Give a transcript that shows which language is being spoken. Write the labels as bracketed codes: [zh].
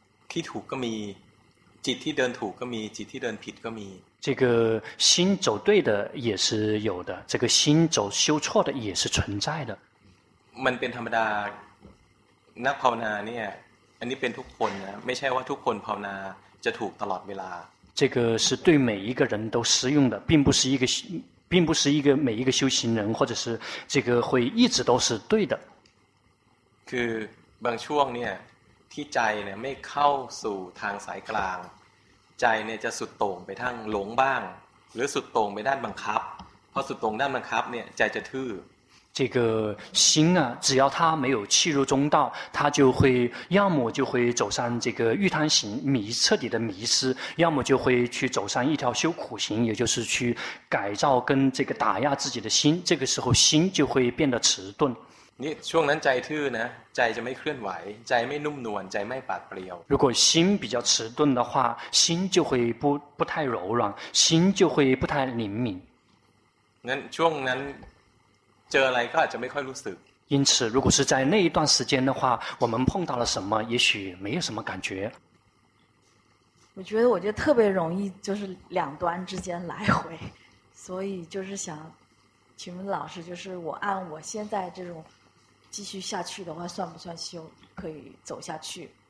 [th] ที่ถูกก็มีจิตที่เดินถูกก็มีจิตที่เดินผิดก็มี [zh] 这个心走对的也是有的这个心走修错的也是存在的 [th] มันเป็นธรรมดานักภาวนาเนี่ยอันนี้เป็นทุกคนนะไม่ใช่ว่าทุกคนภาวนาจะถูกตลอดเวลา [zh] 这个是对每一个人都适用的并不是一个每一个修行人或者是这个会一直都是对的 [th] คือบางช่วงเนี่ยที่ใจเนี่ยไม่เข้าสู่ทางสายกลางใจเนี่ยจะสุดโต่งไปทางหลงบ้างหรือสุดโต่งไปด้านบังคับพอสุดโต่งด้านบังคับเนี่ยใจจะทื่อ [zh] 这个心啊只要它没有契入中道它就会要么就会走上这个欲贪行迷彻底的迷失要么就会去走上一条修苦行也就是去改造跟这个打压自己的心这个时候心就会变得迟钝 [th] นี่ช่วงนั้นใจทื่อนะใจจะไม่เคลื่อนไหวใจไม่นุ่มนวลใจไม่ปราดเปรียว [zh] 如果心比较迟钝的话心就会不太柔软心就会不太灵敏 [th] งั้นช่วงนั้นเจออะไรก็อาจจะไม่ค่อยรู้สึก [zh] 因此如果是在那一段时间的话我们碰到了什么也许没有什么感觉我觉得特别容易就是两端之间来回所以就是想请问老师就是我按我现在这种继续下去的话算不算修可以走下去